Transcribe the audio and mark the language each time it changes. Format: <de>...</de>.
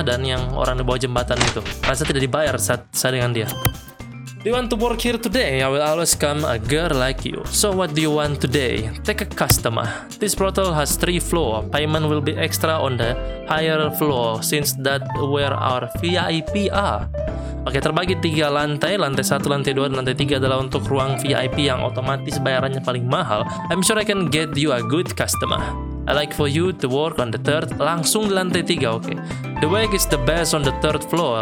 <id>Dan yang orang di bawah jembatan itu. Rasa tidak dibayar saat dengan dia.</id> <en>Do you want to work here today? I will always come a girl like you. So what do you want today? Take a customer. This brothel has 3 floors. Payment will be extra on the higher floor since that where our VIP are.</en> <id>Oke, terbagi 3 lantai. Lantai 1, lantai 2, dan lantai 3 adalah untuk ruang VIP yang otomatis bayarannya paling mahal.</id> <en>I'm sure I can get you a good customer. I like for you to work on the third.</en> <id>Langsung di lantai 3, oke.</id> <en>The wage is the best on the third floor.</en>